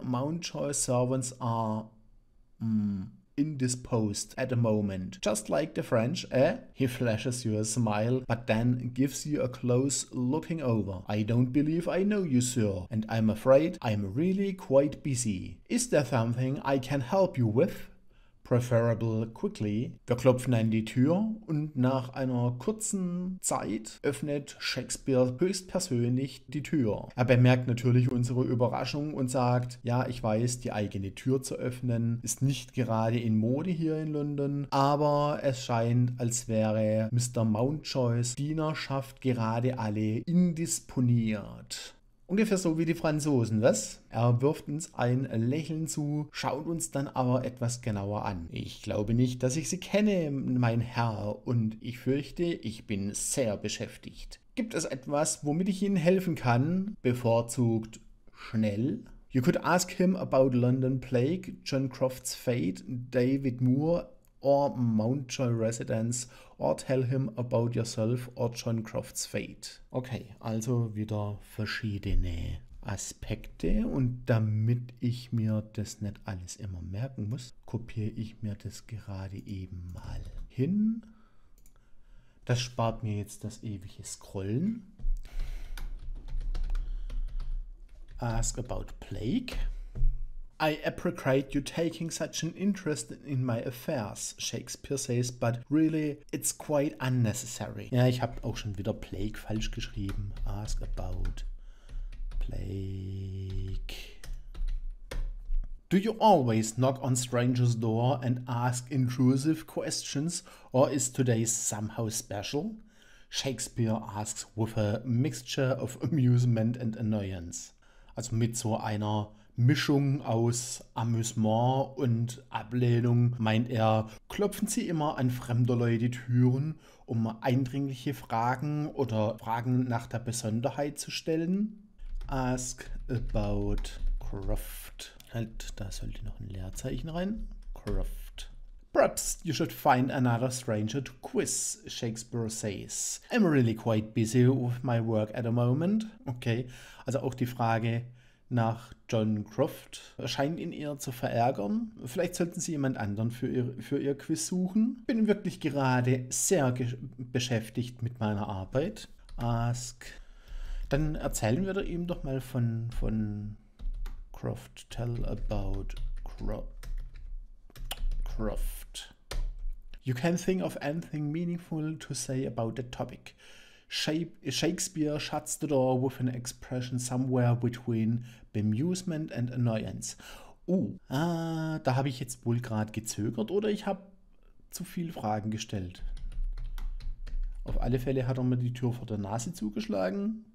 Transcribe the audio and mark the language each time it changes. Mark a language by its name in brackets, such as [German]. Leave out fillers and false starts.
[English] Mountjoy's servants are indisposed at the moment. Just like the French, eh? He flashes you a smile, but then gives you a close looking over. I don't believe I know you, sir, and I'm afraid I'm really quite busy. Is there something I can help you with? Preferable quickly. [German] Wir klopfen an die Tür und nach einer kurzen Zeit öffnet Shakespeare höchstpersönlich die Tür. Er bemerkt natürlich unsere Überraschung und sagt, ja, ich weiß, die eigene Tür zu öffnen ist nicht gerade in Mode hier in London, aber es scheint, als wäre Mr. Mountjoys Dienerschaft gerade alle indisponiert. Ungefähr so wie die Franzosen, was? Er wirft uns ein Lächeln zu, schaut uns dann aber etwas genauer an. Ich glaube nicht, dass ich Sie kenne, mein Herr, und ich fürchte, ich bin sehr beschäftigt. Gibt es etwas, womit ich Ihnen helfen kann? Bevorzugt schnell. [English] You could ask him about London Plague, John Croft's Fate, David Moore or Mountjoy Residence or tell him about yourself or John Croft's Fate. [German] Okay, also wieder verschiedene Aspekte. Und damit ich mir das nicht alles immer merken muss, kopiere ich mir das gerade eben mal hin. Das spart mir jetzt das ewige Scrollen. [English] Ask about plague. I appreciate you taking such an interest in my affairs, Shakespeare says, but really, it's quite unnecessary. [German] Ja, ich habe auch schon wieder plague falsch geschrieben. [English] Ask about plague. Do you always knock on strangers' door and ask intrusive questions, or is today somehow special? Shakespeare asks with a mixture of amusement and annoyance. [German] Also mit so einer Mischung aus Amüsement und Ablehnung meint er, klopfen Sie immer an fremder Leute Türen, um eindringliche Fragen oder Fragen nach der Besonderheit zu stellen? [English] Ask about Croft. [German] Halt, da sollte noch ein Leerzeichen rein. Croft. [English] Perhaps you should find another stranger to quiz, Shakespeare says. I'm really quite busy with my work at the moment. [German] Okay, also auch die Frage nach John Croft scheint ihn eher zu verärgern. Vielleicht sollten Sie jemand anderen für ihr Quiz suchen. Bin wirklich gerade sehr beschäftigt mit meiner Arbeit. Ask. Dann erzählen wir ihm doch mal von Croft. [English] Tell about Croft. You can think of anything meaningful to say about the topic. Shakespeare shuts the door with an expression somewhere between bemusement and annoyance. [German] Da habe ich jetzt wohl gerade gezögert oder ich habe zu viele Fragen gestellt. Auf alle Fälle hat er mir die Tür vor der Nase zugeschlagen.